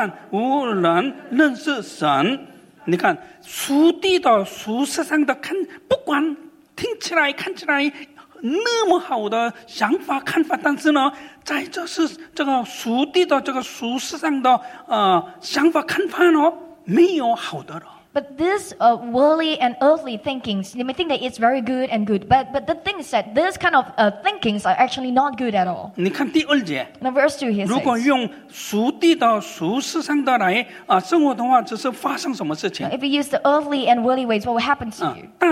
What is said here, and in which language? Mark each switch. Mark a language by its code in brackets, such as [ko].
[zh] 好，请以色列人呐，你们当听耶和华的话，耶和华与这地的居民，啊，争辩，因这地的地上，无诚实，无良善，无人认识神。你看，属地的、属世上的看，不管听起来看起来那么好的想法看法，但是呢，在这是这个属地的这个属世上的想法看法呢，没有好的了。 [en] But this worldly and earthly thinkings, you may think that it's very good and good, but the thing is that this kind of thinkings are actually not good at all. [zh] 你看第二节, [en] now verse 2 here says, [zh] 如果用属地的、属世上的来生活的话，这是发生什么事情？ [en] If you use the earthly and worldly ways, what will happen to you?